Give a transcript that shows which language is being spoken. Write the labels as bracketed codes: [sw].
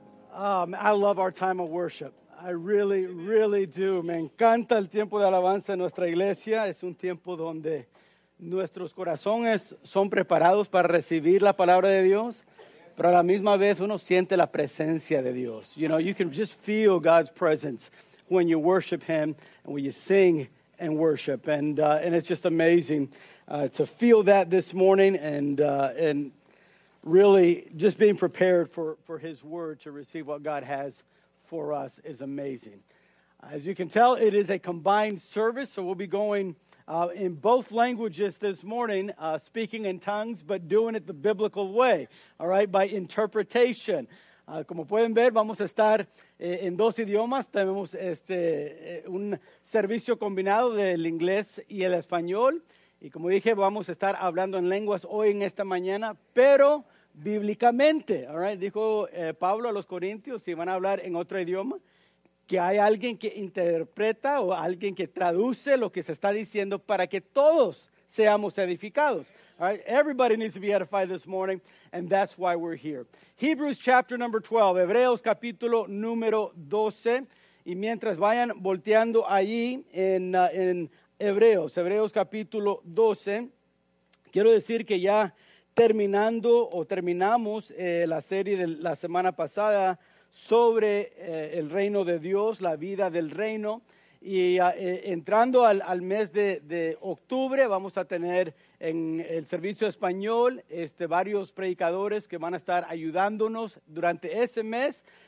[en] I love our time of worship. I really, really do. [es] Me encanta el tiempo de alabanza en nuestra iglesia. Es un tiempo donde nuestros corazones son preparados para recibir la palabra de Dios, pero a la misma vez uno siente la presencia de Dios. [en] You know, you can just feel God's presence when you worship Him and when you sing and worship. And it's just amazing to feel that this morning and really just being prepared for His Word to receive what God has for us is amazing. As you can tell, it is a combined service, so we'll be going in both languages this morning, speaking in tongues, but doing it the biblical way, all right, by interpretation. [es] Como pueden ver, vamos a estar en dos idiomas. Tenemos un servicio combinado del inglés y el español. Y como dije, vamos a estar hablando en lenguas hoy en esta mañana, pero bíblicamente, [en] all right? [es] Dijo Pablo a los corintios, si van a hablar en otro idioma, que hay alguien que interpreta o alguien que traduce lo que se está diciendo para que todos seamos edificados. [en] All right? Everybody needs to be edified this morning, and that's why we're here. Hebrews chapter number 12, [es] Hebreos capítulo número 12. Y mientras vayan volteando allí en Hebreos, Hebreos capítulo 12, quiero decir que ya terminando o terminamos la serie de la semana pasada sobre el reino de Dios, la vida del reino, y entrando al mes de octubre vamos a tener en el servicio español varios predicadores que van a estar ayudándonos durante ese mes.